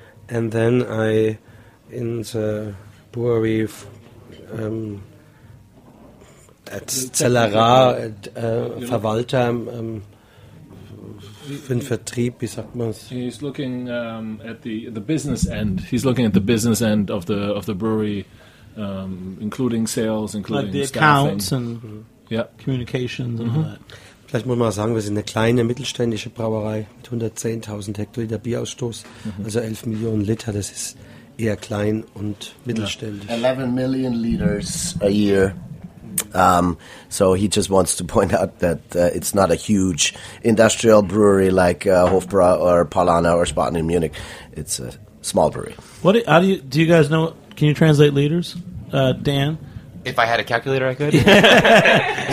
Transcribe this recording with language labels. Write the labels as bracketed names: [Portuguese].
[English] And then I, in the brewery, at [German] Zellerar, Verwalter, Vertrieb, wie sagt man's? [English] He's looking at the business end. He's looking at the business end of the brewery, including sales, including like the staffing. Accounts and yeah. Communications and all that. [German] Vielleicht muss man auch sagen, wir sind eine kleine mittelständische Brauerei mit 110.000 Hektoliter Bierausstoß, also 11 Millionen Liter, das ist eher klein und mittelständisch. [English] 11 million liters a year. So he just wants to point out that it's not a huge industrial brewery like Hofbräu or Paulaner or Spaten in Munich. It's a small brewery. How do you guys know? Can you translate liters, Dan? If I had a calculator, I could.